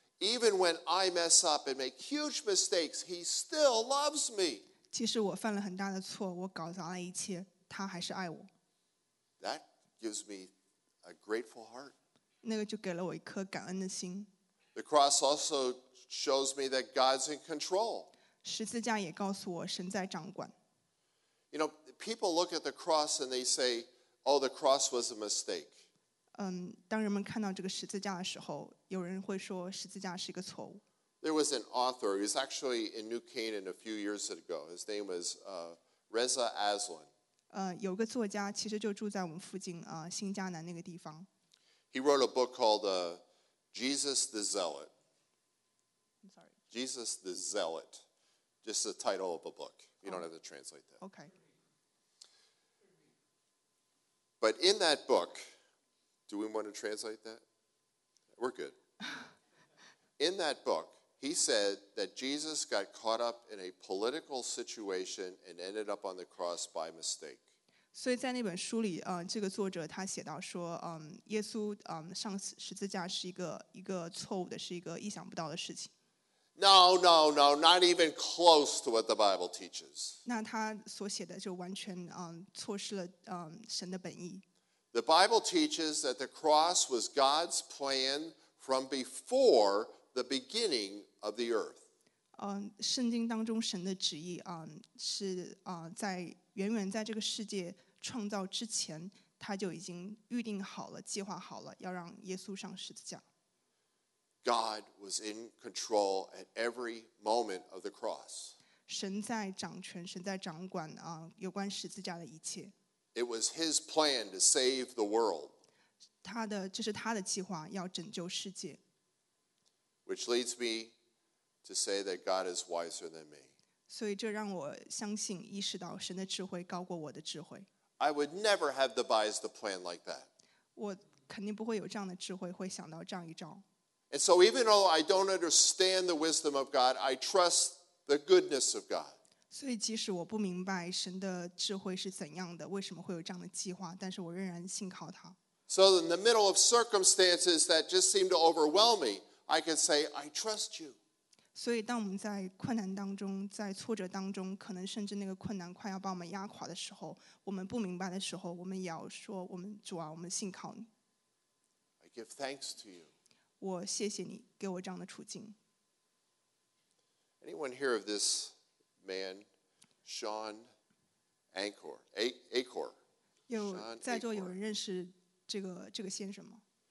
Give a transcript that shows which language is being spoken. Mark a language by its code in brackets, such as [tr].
[en] Even when I mess up and make huge mistakes, He still loves me. [zh] 即使我犯了很大的错，我搞砸了一切，他还是爱我。 [en] That gives me a grateful heart. [zh] 那个就给了我一颗感恩的心。 [en] The cross also shows me that God's in control. [zh] 十字架也告诉我神在掌管。 [en] You know, people look at the cross and they say, oh, the cross was a mistake. [zh] 当人们看到这个十字架的时候，有人会说十字架是一个错误。 [en] There was an author, he was actually in New Canaan a few years ago. His name was Reza Aslan. [zh] 有个作家其实就住在我们附近新加南那个地方。 [en] He wrote a book called Jesus the Zealot. I'm sorry. Jesus the Zealot. Just the title of a book. You don't have to translate that. Okay. But in that book, do we want to translate that? We're good. In that book, he said that Jesus got caught up in a political situation and ended up on the cross by mistake. [zh] 所以在那本书里，这个作者他写到说，耶稣上十字架是一个错误的，是一个意想不到的事情。 [en] No, no, no, not even close to what the Bible teaches. [zh] 那他所写的就完全错失了神的本意。 [en] The Bible teaches that the cross was God's plan from before the beginning of the earth. [zh] 圣经当中神的旨意是在远远在这个世界创造之前，他就已经预定好了，计划好了，要让耶稣上十字架。 [en] God was in control at every moment of the cross. [zh] 神在掌权，神在掌管有关十字架的一切。 [en] It was His plan to save the world. [zh] 这是他的计划，要拯救世界。 [en] Which leads me to say that God is wiser than me. [zh] 所以这让我相信，意识到神的智慧高过我的智慧。 [en] I would never have devised a plan like that. [zh] 我肯定不会有这样的智慧，会想到这样一招。 [en] And so even though I don't understand the wisdom of God, I trust the goodness of God. [zh] 所以即使我不明白神的智慧是怎样的，为什么会有这样的计划，但是我仍然信靠他。 [en] So in the middle of circumstances that just seem to overwhelm me, I can say, I trust you. [zh] 所以当我们在困难当中，在挫折当中，可能甚至那个困难快要把我们压垮的时候，我们不明白的时候，我们也要说，我们主啊，我们信靠你。 [en] I give thanks to you. [zh] 我谢谢你给我这样的处境。 [en] Anyone hear of this man, Sean Acor? Acor. [zh] 有在座有人认识这个先生吗